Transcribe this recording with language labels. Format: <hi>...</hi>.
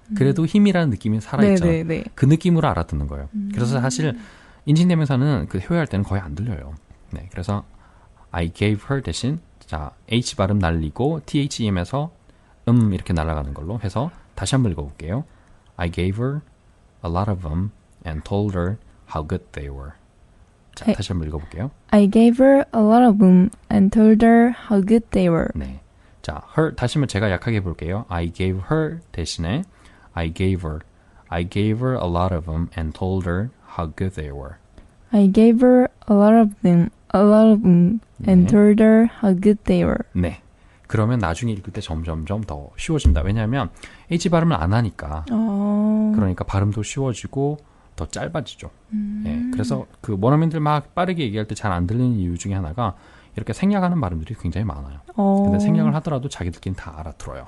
<ko>그래도 힘이라는 느낌이 살아있잖아. 네, 네, 네. 그 느낌으로 알아듣는 거예요. 그래서 사실 인칭 대명사는 그 회화할 때는 거의 안 들려요. 네. 그래서</ko> <en>I gave her</en> <ko>대신 자 H 발음 날리고 THM에서 이렇게 날아가는 걸로 해서 다시 한번 읽어볼게요.</ko> <en>I gave her a lot of them and told her how good they were.</en> <ko>자, 다시 한번 읽어볼게요.</ko> <en>I gave her a lot of them and told her how good they were.</en> <ko>네. 자, her 다시 한번 제가 약하게 해볼게요.</ko> <en>I gave her</en> <ko>대신에</ko> <en>I gave her. I gave her a lot of them and told her how good they were. I gave her a lot of them, a lot of them and 네. told her how good they were.</en> <ko>네. 그러면 나중에 읽을 때 점점점 더 쉬워집니다. 왜냐하면 H 발음을 안 하니까 그러니까 발음도 쉬워지고 더 짧아지죠. 예, 그래서 그 원어민들 막 빠르게 얘기할 때 잘 안 들리는 이유 중에 하나가 이렇게 생략하는 발음들이 굉장히 많아요. 근데 생략을 하더라도 자기들끼리는 다 알아들어요.</ko>